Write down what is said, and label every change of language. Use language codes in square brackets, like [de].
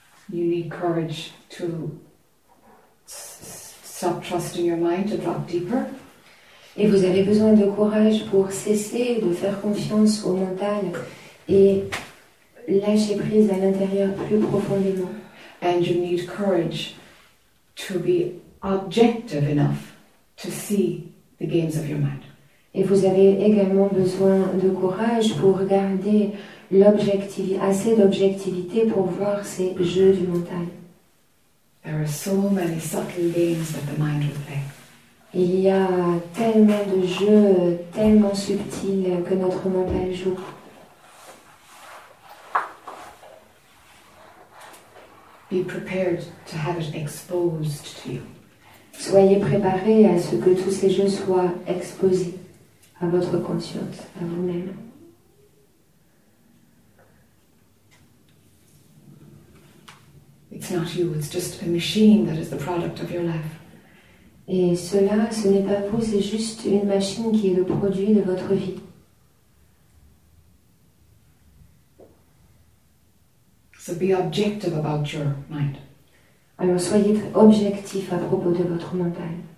[en] You need courage to stop trusting your mind, to drop deeper. [fr] Et vous avez besoin de courage pour cesser de faire confiance au mental et lâcher prise à l'intérieur plus profondément. [en] And you need courage to be objective enough to see the games of your mind. [fr] Et vous avez également besoin de courage pour garder assez d'objectivité pour voir ces jeux du mental. [en] There are so many subtle games that the mind will play. [fr] Il y a tellement de jeux, tellement subtils que notre mental joue. [en] Be prepared to have it exposed to you. [fr] Soyez préparé à ce que tous ces jeux soient exposés à votre conscience, à vous-même. [en] It's not you, it's just a machine that is the product of your life. [fr] Et cela, ce n'est pas vous, c'est juste une machine qui est le produit de votre vie. [en] So be objective about your mind. [fr] Alors soyez objectif à propos de votre mental.